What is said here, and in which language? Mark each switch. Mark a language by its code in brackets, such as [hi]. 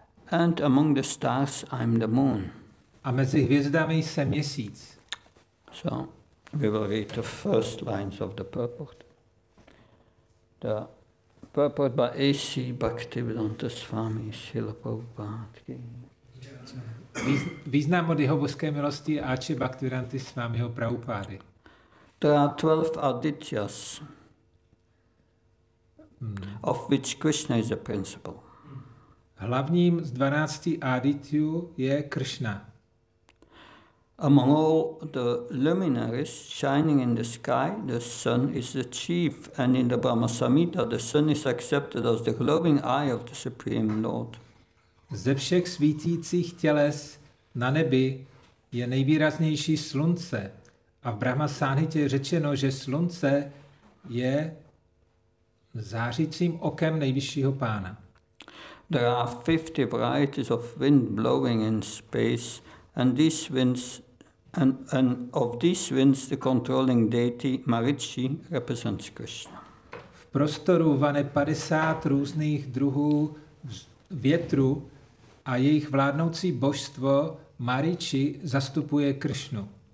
[en] And among the stars, I am the moon. [cs] A mezi hvězdami se měsíc. [en] So, we will read the first lines of the purport. The purport by A.C. Bhaktivedanta Swami Srila Prabhupada Ki. [cs] Význam od jeho božské milosti Ači Bhaktivedanty Swamiho Prabhupády. [en] There are 12 adityas, of which Krishna is the principal. [cs] Hlavním z 12 adityů je Krishna. [en] Among all the luminaries shining in the sky, the sun is the chief, and in the Brahma Samhita, the sun is accepted as the glowing eye of the Supreme Lord. [cs] Ze všech svítících těles na nebi je nejvýraznější slunce, a v Brahma Samhitě je řečeno, že slunce je zářícím okem nejvyššího pána. [en] There are 50 varieties of wind blowing in space, and these winds And of these winds, the controlling deity Marichi represents Krishna. [cs] V prostoru vane 50 různých druhů větru a jejich vládnoucí božstvo Marichi zastupuje Krishnu.